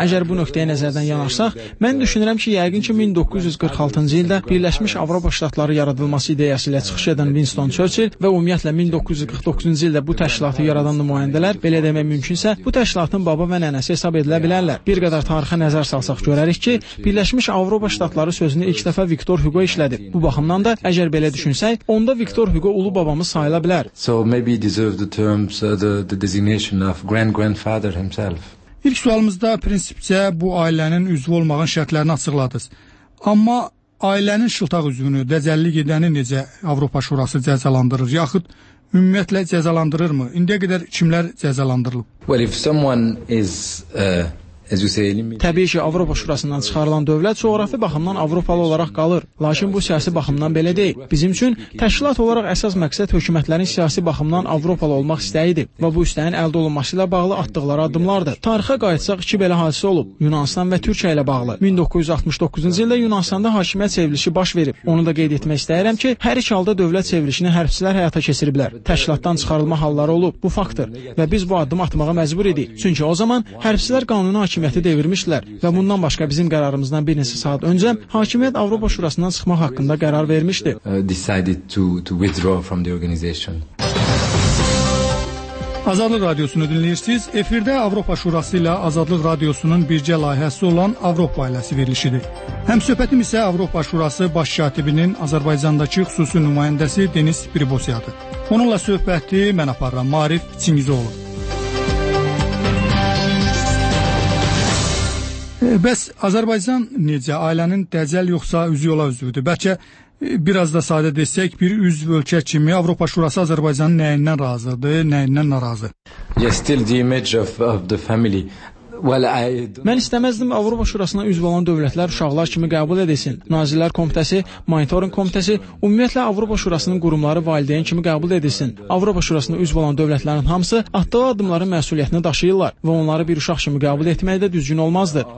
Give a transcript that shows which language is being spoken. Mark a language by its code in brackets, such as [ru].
[az] Əgər bu nöqtəyə nəzərdən yanaşsaq, mən düşünürəm ki, yəqin ki 1946-cı ildə Birləşmiş Avropa Ştatları yaradılması ideyası ilə çıxış edən Winston Churchill və ümumiyyətlə 1949-cu ildə bu təşkilatı yaradan nümayəndələr, belə demək mümkünsə, bu təşkilatın baba və nənəsi hesab edilə bilərlər. Bir qədər tarixə nəzər salsaq görərik ki, Birləşmiş Avropa Ştatları sözünü ilk dəfə Viktor Hugo işlədi. Bu baxımdan da, əgər belə düşünsək, onda Viktor Hugo ulu babamız sayıla bilər. [en] So maybe deserved the terms the designation of grandfather himself. [az] İlk sualımızda prinsipcə bu ailənin üzvü olmağın şərtlərini açıqladınız. Amma ailənin şıltaq üzvünü, dəcəllik edəni necə Avropa Şurası cəzalandırır, yaxud ümumiyyətlə cəzalandırır mı? İndiyə qədər kimlər cəzalandırılıb? [en] Well, if someone is [az] Təbii ki, Avropa Şurasından çıxarılan dövlət coğrafi baxımdan Avropalı olaraq qalır. Lakin bu siyasi baxımdan belə deyil. Bizim üçün təşkilat olaraq əsas məqsəd hökumətlərin siyasi baxımdan Avropalı olmaq istəyidir və bu istəyin əldə olunması ilə bağlı atdıqları addımlardır. Tarixə qayıtsaq, iki belə hadisə olub. Yunanistan və Türkiyə ilə bağlı. 1969-cu ildə Yunanistanda hakimiyyət çevrilişi baş verib. Onu da qeyd etmək istəyirəm ki, hər iki halda dövlət çevrilişini hərbçilər həyata keçiriblər. Təşkilatdan çıxarılma halları olub. Bu faktdır və biz bu addımı atmağa məcbur idik. Çünki o zaman hərbçilər qanunu hakimiyyəti devirmişlər və bundan başqa bizim qərarımızdan bir neçə saat öncə hakimiyyət Avropa Şurasından çıxmaq haqqında qərar vermişdi. [en] Decided to withdraw from the organization. [az] Azadlıq Radiosunu dinləyirsiniz. Efirdə Avropa Şurası ilə Azadlıq Radiosunun birgə layihəsi olan Avropa ailəsi verilişidir. Həm söhbətim isə Avropa Şurası baş katibinin Azərbaycandakı xüsusi nümayəndəsi Denis Pribosyadır. Onunla söhbəti mən aparıram, Marif Çingizoğlu. Bəs Azərbaycan necə? Ailənin dəcəl yoxsa üzü yola üzvüdür? Bəlkə biraz da sadə desək, bir üzv ölkə kimi Avropa Şurası Azərbaycanın nəyindən razıdır, nəyindən narazı? [en] Yes, still the image of the family. Well, [az] mən istəməzdim Avropa Şurasına üzv olan dövlətlər uşaqlar kimi qəbul edilsin. Nazirlər Komitəsi, Monitoring Komitəsi, ümumiyyətlə Avropa Şurasının qurumları valideyn kimi qəbul edilsin. Avropa Şurasına üzv olan dövlətlərin hamısı atdığı addımların məsuliyyətini daşıyırlar və onları bir uşaq kimi qəbul etmək də düzgün olmazdı.